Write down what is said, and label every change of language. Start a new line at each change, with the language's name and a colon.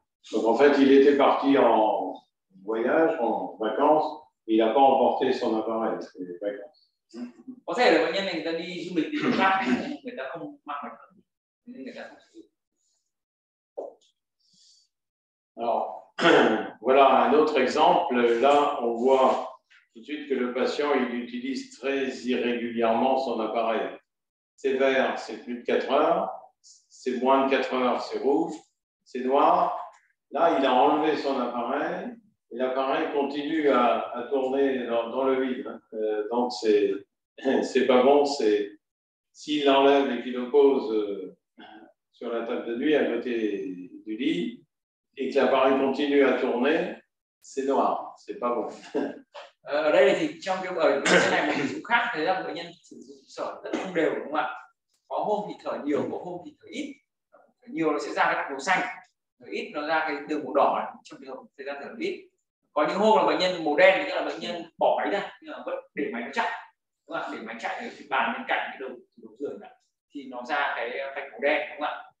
French: Donc en fait, il était parti en voyage, en vacances, et il n'a pas emporté son appareil, c'est des vacances.
Vietnamese: Có thể là bệnh nhân này người ta đi du lịch đi du khách người ta không mang được nên người ta không sử dụng.
French: Alors, voilà un autre exemple. Là, on voit tout de suite que le patient il utilise très irrégulièrement son appareil. C'est vert, c'est plus de 4 heures. C'est moins de 4 heures, c'est rouge. C'est noir. Là, il a enlevé son appareil. Et l'appareil continue à tourner dans le vide. Donc, c'est pas bon. C'est, s'il l'enlève et qu'il le pose sur la table de nuit à côté du lit et que l'appareil continue à tourner, c'est noir. C'est pas bon.
Vietnamese: Ở đây thì trong cái bệnh này một số khác thấy là bệnh nhân sử dụng sở rất không đều đúng không ạ? Có hôm thì thở nhiều, có hôm thì thở ít. Nhiều nó sẽ ra cái đường màu xanh, thở ít nó ra cái đường màu đỏ trong trường hợp thời gian thở ít. Có những hôm là bệnh nhân màu đen thì là bệnh nhân bỏ máy ra nhưng mà vẫn để máy nó chạy, đúng không ạ? Để máy chạy ở cái bàn bên cạnh cái đầu giường đó thì nó ra cái vạch màu đen, đúng không ạ?